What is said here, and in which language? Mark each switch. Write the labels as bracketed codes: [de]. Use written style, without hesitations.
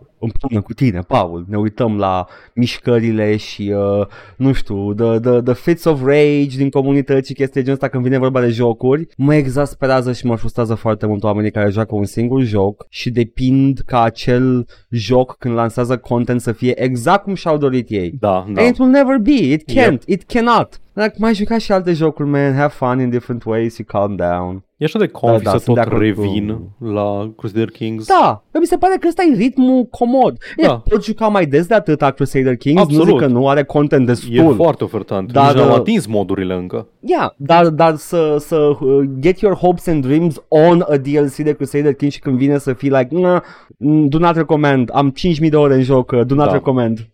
[ro] împreună cu tine, Paul, ne uităm la mișcările și, nu știu, [en] the fits of rage [ro] din comunități și chestii genul ăsta când vine vorba de jocuri, mă exasperează și mă frustrează foarte mult oamenii care joacă un singur joc și depind ca acel joc când lansează content să fie exact cum și-au dorit ei. Da. [en] And it will never be, it can't, it cannot. Like, [ro] mai juca și alte jocuri, [en] man, have fun in different ways, you calm down. [ro] E așa de comfy să tot revin la Crusader Kings. Da, mi se pare că ăsta e ritmul comod. E, poți juca mai des de atât Crusader Kings. Absolut. Nu zic că nu, are content destul. E foarte ofertant. Dar, nici nu am atins modurile încă. Dar să [en] get your hopes and dreams [ro] on a DLC de Crusader Kings și când vine să fii [en] like, do not recommend, [ro] am 5.000 de ore în joc, [en] do not recommend.